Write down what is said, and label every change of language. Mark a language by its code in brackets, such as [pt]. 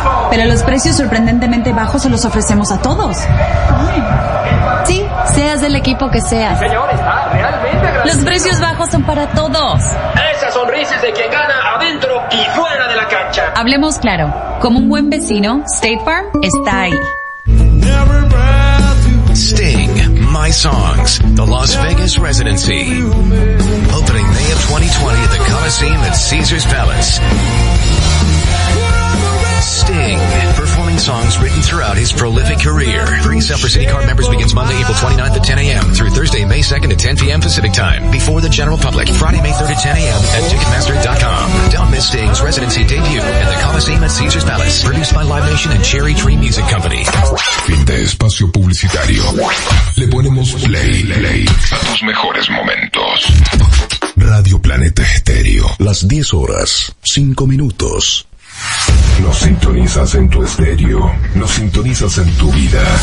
[es] Pero los precios sorprendentemente bajos se los ofrecemos a todos. Sí, seas del equipo que seas. Señor, está realmente grande. Los precios bajos son para todos. Esa sonrisa es de quien gana adentro y fuera de la cancha. Hablemos claro. Como un buen vecino, State Farm está ahí. [en] Sting, My Songs, the Las Vegas Residency. Opening May of 2020 at the Coliseum at Caesar's Palace. Sting, performing songs written throughout his prolific career. Pre-sale for City Card members begins Monday, April 29th at 10 a.m. through Thursday, May 2nd at 10 p.m. Pacific Time. Before the general public, Friday, May 3rd at 10 a.m. at Ticketmaster.com. Don't miss Sting's residency debut at the Coliseum at Caesar's Palace. Produced by Live Nation and Cherry Tree Music Company. [es] Fin de espacio publicitario. Le ponemos play, play. A tus mejores momentos. Radio Planeta Estéreo. Las 10 horas, 5 minutos. Nos sintonizas en tu estéreo, nos sintonizas en tu vida.